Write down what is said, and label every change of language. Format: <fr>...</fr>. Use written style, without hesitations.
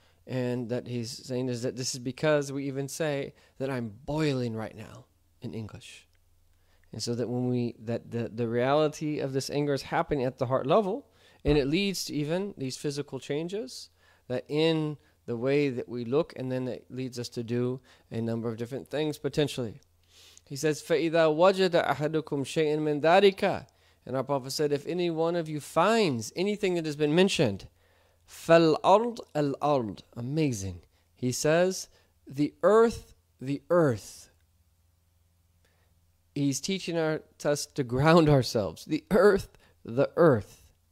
<en>And that he's saying is that this is because we even say that I'm boiling right now in English. And so that when we, that the reality of this anger is happening at the heart level, and it leads to even these physical changes, that in the way that we look, and then it leads us to do a number of different things potentially. He says,</en> <ar>فَإِذَا وَجَدَ أَحَدُكُمْ شَيْئًا مِنْ ذَلِكَ.</ar> <en>And our Prophet said, if any one of you finds anything that has been mentioned,</en> <ar>فَالْأَرْضْ الْأَرْضْ.</ar> <en>Amazing. He says, the earth, the earth. He's teaching us to ground ourselves. The earth, the earth.</en>